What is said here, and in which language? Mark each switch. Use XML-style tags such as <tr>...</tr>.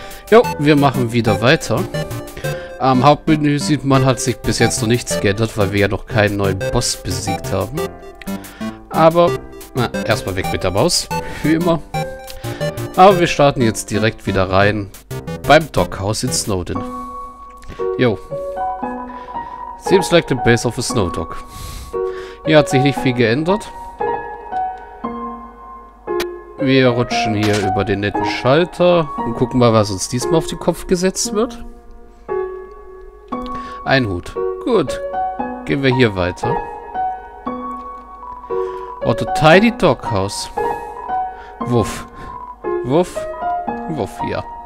<de>Jo, wir machen wieder weiter. Am Hauptmenü sieht man, hat sich bis jetzt noch nichts geändert, weil wir ja noch keinen neuen Boss besiegt haben. Aber, na, erstmal weg mit der Maus, wie immer. Aber wir starten jetzt direkt wieder rein beim Dockhaus in Snowdon. Jo.</de> <en>Seems like the base of a snow dock.</en> <de>Hier hat sich nicht viel geändert. Wir rutschen hier über den netten Schalter und gucken mal, was uns diesmal auf den Kopf gesetzt wird. Ein Hut. Gut. Gehen wir hier weiter.</de> <en>What a tidy doghouse. Wuff. Wuff. Wuff, ja.</en>